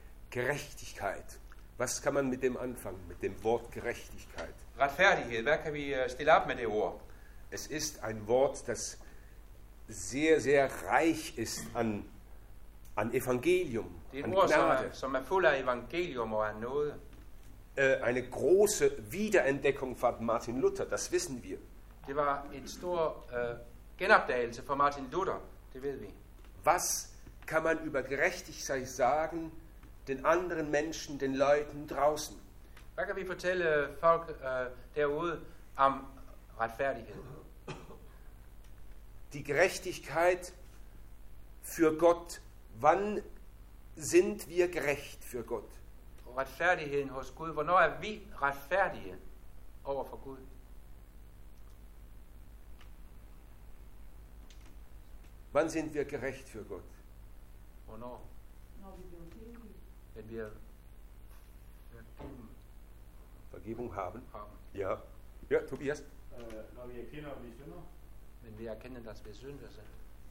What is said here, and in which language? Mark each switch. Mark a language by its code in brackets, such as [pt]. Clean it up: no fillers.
[de] Gerechtigkeit. Was kann man mit dem anfangen, mit dem Wort Gerechtigkeit? [da] Retfærdighed. Hvad kan vi stille op med det ord? [de] Es ist ein Wort, das sehr, sehr reich ist an Evangelium. [da] Det er et ord, som er fuld af evangelium og af noget. [de] Eine große Wiederentdeckung von Martin Luther, das wissen wir. [da] Det var en stor genopdagelse for Martin Luther, det ved vi. [de] Was kann man über Gerechtigkeit sagen den anderen Menschen, den Leuten draußen? [da] Hvad kan vi fortælle folk derude om retfærdighed? [de] Die Gerechtigkeit für Gott. Wann sind wir gerecht für Gott? [da] Retfærdigheden hos Gud. Hvornår er vi retfærdige over for Gud? [de] Wann sind wir gerecht für Gott? [da] Hvornår? [de] Wenn wir Vergebung haben. Haben. Ja. Ja, Tobias. Wenn wir erkennen, dass wir Sünder sind.